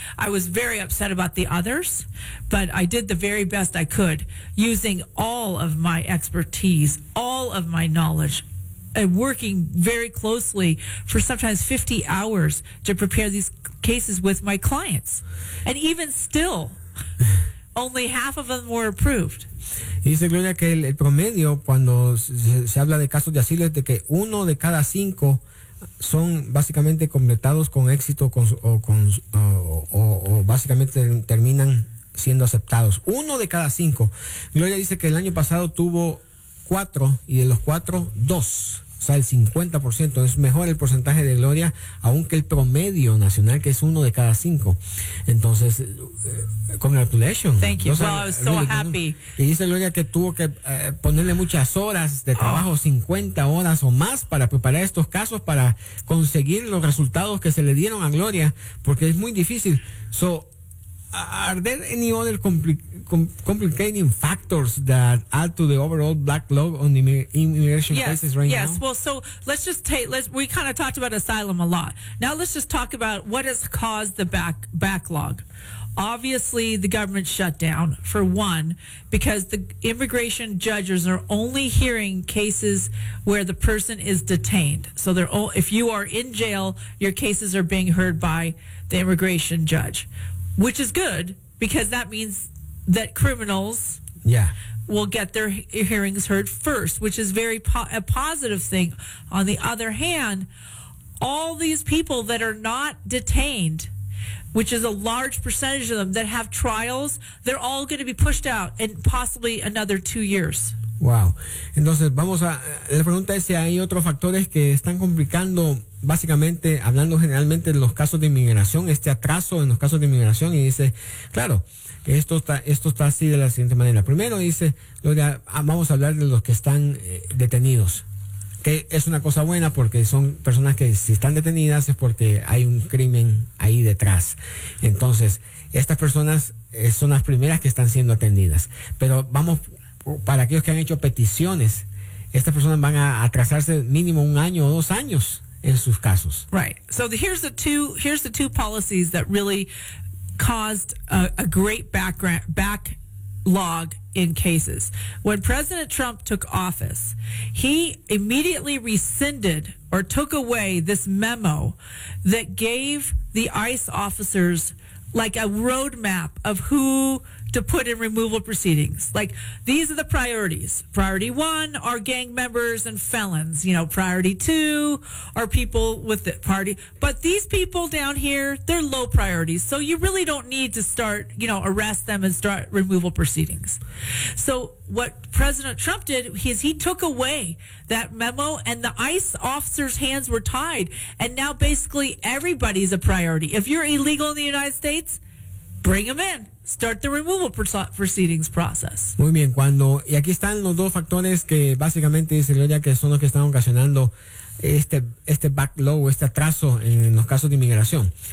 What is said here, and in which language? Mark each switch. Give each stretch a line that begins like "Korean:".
English: I was very upset about the others, but I did the very best I could using all of my expertise, all of my knowledge, and working very closely for sometimes 50 hours to prepare these cases with my clients. And even still, only half of them were approved.
Spanish: Y dice Gloria que el promedio cuando se habla de casos de asilo es de que uno de cada cinco son básicamente completados con éxito o básicamente terminan siendo aceptados. Uno de cada cinco. Gloria dice que el año pasado tuvo cuatro, y de los cuatro, dos. O sea, el 50%. Es mejor el porcentaje de Gloria, aunque el promedio nacional, que es uno de cada cinco. Entonces,
English: congratulations. Thank you. Well, I was so really happy.
Spanish: Y dice Gloria que tuvo que ponerle muchas horas de trabajo, 50 horas o más, para preparar estos casos, para conseguir los resultados que se le dieron a Gloria, porque es muy difícil.
English: So, are there any other complicating factors that add to the overall backlog on the immigration cases right now? Yes. Well, so we kind of talked about asylum a lot. Now let's just talk about what has caused the backlog. Obviously, the government shut down, for one, because the immigration judges are only hearing cases where the person is detained. So if you are in jail, your cases are being heard by the immigration judge. Which is good, because that means that criminals will get their hearings heard first, which is very a positive thing. On the other hand, all these people that are not detained, which is a large percentage of them that have trials, they're all going to be pushed out in possibly another 2 years. Wow.
Spanish: Entonces, la pregunta es si hay otros factores que están complicando, básicamente, hablando generalmente de los casos de inmigración, este atraso en los casos de inmigración, y dice, claro, esto está así de la siguiente manera. Primero dice, vamos a hablar de los que están detenidos, que es una cosa buena porque son personas que si están detenidas es porque hay un crimen ahí detrás. Entonces, estas personas son las primeras que están siendo atendidas. Pero vamos, para aquellos que han hecho peticiones, estas personas van a atrasarse mínimo un año o dos años en sus casos.
English: Right. So here's the two policies that really caused a great backlog in cases. When President Trump took office, he immediately rescinded or took away this memo that gave the ICE officers like a roadmap of who to put in removal proceedings. Like, these are the priorities. Priority one are gang members and felons. You know, priority two are people with the party. But these people down here, they're low priorities. So you really don't need to start, arrest them and start removal proceedings. So what President Trump did is he took away that memo, and the ICE officers' hands were tied. And now basically everybody's a priority. If you're illegal in the United States, bring them in. Start the removal proceedings process.
Spanish: Muy bien, cuando, y aquí están los dos factores que básicamente dice Gloria que son los que están ocasionando este backlog, este atraso en los casos de inmigración.